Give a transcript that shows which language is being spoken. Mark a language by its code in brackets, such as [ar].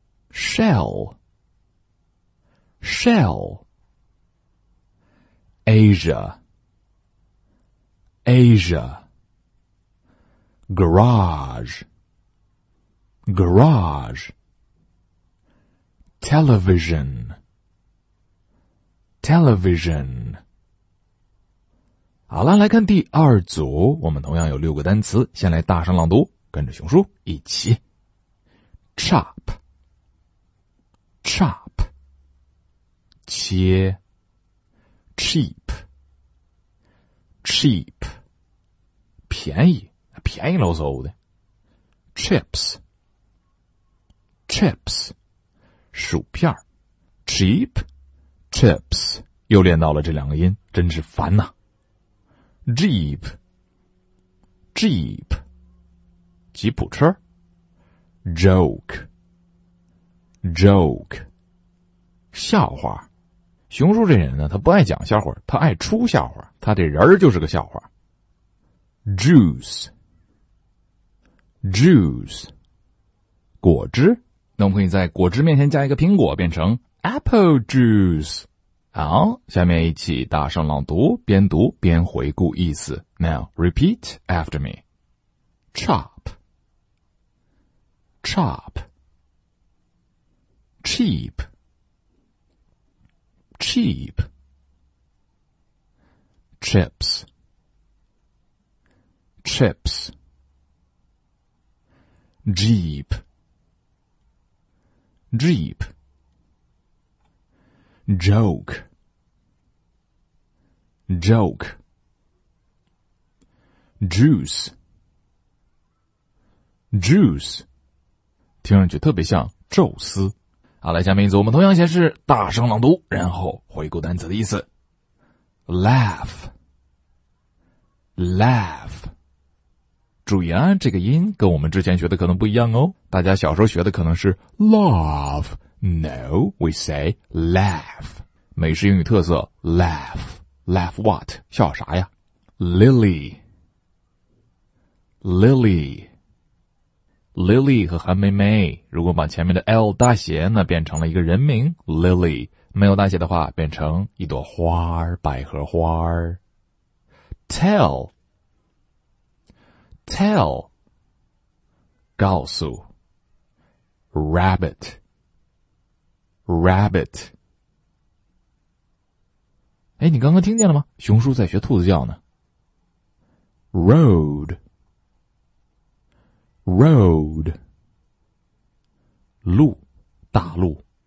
[en] ShellShell Asia Asia Garage Garage Television Television [zh] 好了，来看第二组，我们同样有六个单词，先来大声朗读，跟着熊叔一起。 Chop Chop切 cheap cheap 便宜，便宜喽嗖的。 chips chips 薯片 cheap chips 又练到了这两个音，真是烦呐。 [en] jeep jeep 吉普车。 joke joke 笑话。 [zh] 熊叔这人呢，他不爱讲笑话，他爱出笑话，他这人就是个笑话。 Juice Juice 果汁，那我们可以在果汁面前加一个苹果，变成 Apple Juice。好，下面一起大声朗读，边读边回顾意思。 [en] Now repeat after me. Chop Chop CheapCheap Chips Chips Jeep Jeep Joke Joke Juice Juice [zh] 听上去特别像宙斯。好，来，下面一组我们同样先是大声朗读，然后回顾单词的意思。 Laugh Laugh 注意啊，这个音跟我们之前学的可能不一样哦，大家小时候学的可能是 Laugh, [en] No, we say Laugh, [zh] 美式英语特色 Laugh, [en] Laugh what, [zh] 笑啥呀。 Lily LilyLily 和韩妹妹，如果把前面的 L 大写，那变成了一个人名 Lily, 没有大写的话变成一朵花，百合花。 [en] Tell Tell 告诉。 [zh] Rabbit Rabbit 诶，你刚刚听见了吗？熊叔在学兔子叫呢。 [en] RoadRoad 路，大路。